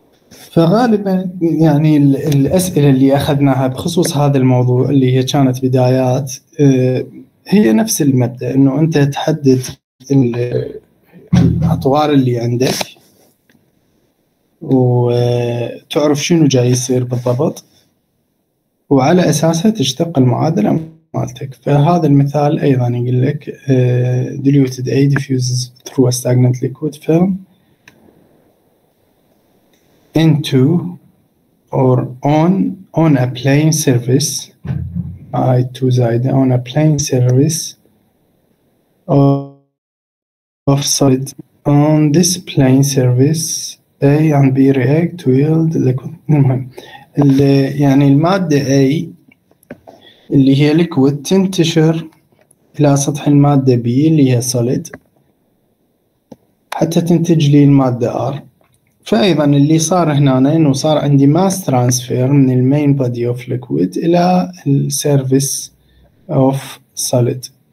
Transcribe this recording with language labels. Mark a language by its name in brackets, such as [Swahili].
[Arabic] فغالبا يعني الأسئلة اللي أخذناها بخصوص هذا الموضوع اللي هي كانت بدايات هي نفس المبدأ، إنه أنت تحدد الأطوار اللي عندك وتعرف شنو جاي يصير بالضبط، وعلى أساسها تشتق المعادلة مالتك. فهذا المثال ايضا يقول لك [English] diluted A diffuses through a stagnant liquid film into or on a plain service. [Arabic] هاي تو زايدة [English] on a plain service of solid. On this plain service A and B react to yield. [Arabic] المهم يعني المادة A اللي هي liquid تنتشر إلى سطح المادة B اللي هي solid حتى تنتج لي المادة R. فأيضا اللي صار هنا إنه صار عندي mass transfer من المين body of liquid إلى السيرفيس of solid.